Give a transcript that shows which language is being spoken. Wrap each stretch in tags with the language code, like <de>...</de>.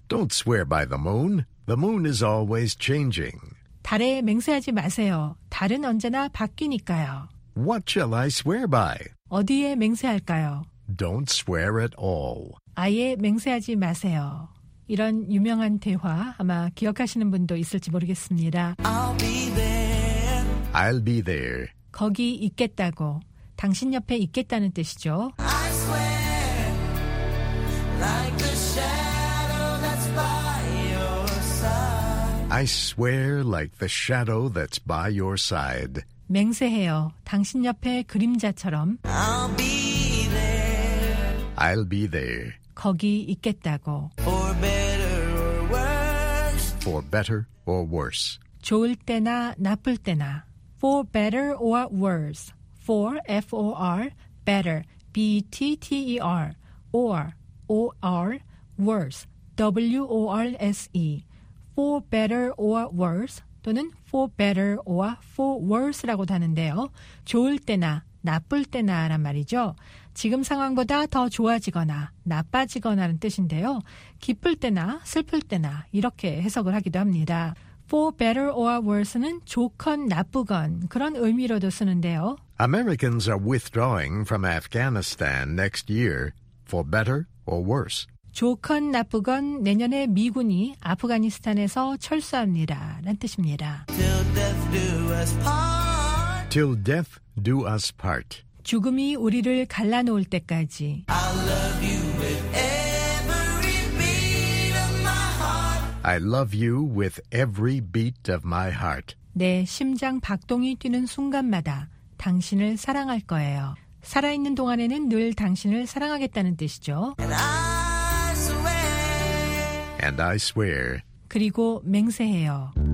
<en>Don't swear by the moon. The moon is always changing.</en> <ko>달에 맹세하지 마세요. 달은 언제나 바뀌니까요.</ko> <en>What shall I swear by?</en> <ko>어디에 맹세할까요?</ko> <en>Don't swear at all.</en> <ko>아예 맹세하지 마세요. 이런 유명한 대화 아마 기억하시는 분도 있을지 모르겠습니다.</ko> <en>I'll be there. I'll be there.</en> <ko>거기 있겠다고, 당신 옆에 있겠다는 뜻이죠.</ko> <en>I swear, like a shadow that's by your side. I swear like the shadow that's by your side.</en> <ko>맹세해요. 당신 옆에 그림자처럼.</ko> <en>I'll be there. I'll be there.</en> <ko>거기 있겠다고.</ko> <en>For better or worse. For better or worse.</en> <ko>좋을 때나 나쁠 때나.</ko> <en>For better or worse. For, F-O-R, better, B-T-T-E-R, or, worse, W-O-R-S-E. For better or worse,</en> <ko>또는</ko> <en>for better or for worse</en> <ko>라고도 하는데요. 좋을 때나 나쁠 때나란 말이죠. 지금 상황보다 더 좋아지거나 나빠지거나는 뜻인데요. 기쁠 때나 슬플 때나 이렇게 해석을 하기도 합니다.</ko> <en>For better or worse</en> <ko>는 좋건 나쁘건 그런 의미로도 쓰는데요.</ko> <en>Americans are withdrawing from Afghanistan next year, for better or worse.</en> <ko>좋건 나쁘건 내년에 미군이 아프가니스탄에서 철수합니다. 라는 뜻입니다.</ko> <en>Till death do us part. Till death do us part.</en> <ko>죽음이 우리를 갈라놓을 때까지.</ko> <en>I'll love you with every beat of my heart. I love you with every beat of my heart.</en> <ko>내 심장 박동이 뛰는 순간마다 당신을 사랑할 거예요. 살아있는 동안에는 늘 당신을 사랑하겠다는 뜻이죠.</ko> <en>And I swear. And I swear.</en> <ko>그리고 맹세해요.</ko>